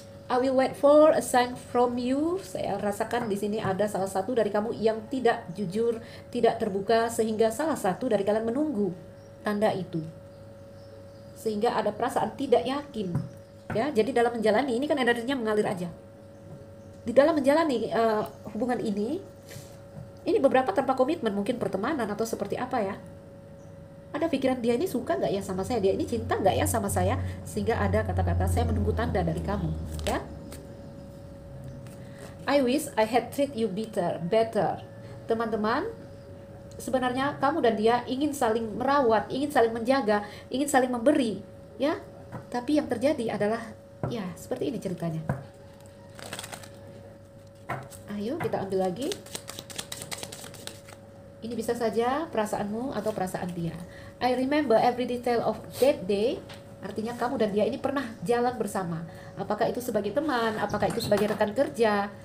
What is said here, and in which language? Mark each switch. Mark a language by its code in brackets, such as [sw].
[en] I will wait for a sign from you. [id] Saya rasakan di sini ada salah satu dari kamu yang tidak jujur, tidak terbuka, sehingga salah satu dari kalian menunggu tanda itu. Sehingga ada perasaan tidak yakin. Ya, jadi dalam menjalani, ini kan energinya mengalir aja. Di dalam menjalani hubungan ini beberapa tanpa komitmen, mungkin pertemanan atau seperti apa ya. Ada pikiran dia ini suka nggak ya sama saya, dia ini cinta nggak ya sama saya, sehingga ada kata-kata saya menunggu tanda dari kamu, ya. [en] I wish I had treat you better. [id] Teman-teman, sebenarnya kamu dan dia ingin saling merawat, ingin saling menjaga, ingin saling memberi, ya. Tapi yang terjadi adalah ya seperti ini ceritanya. Ayo kita ambil lagi. Ini bisa saja perasaanmu atau perasaan dia. [en] I remember every detail of that day. [id] Artinya kamu dan dia ini pernah jalan bersama. Apakah itu sebagai teman, apakah itu sebagai rekan kerja.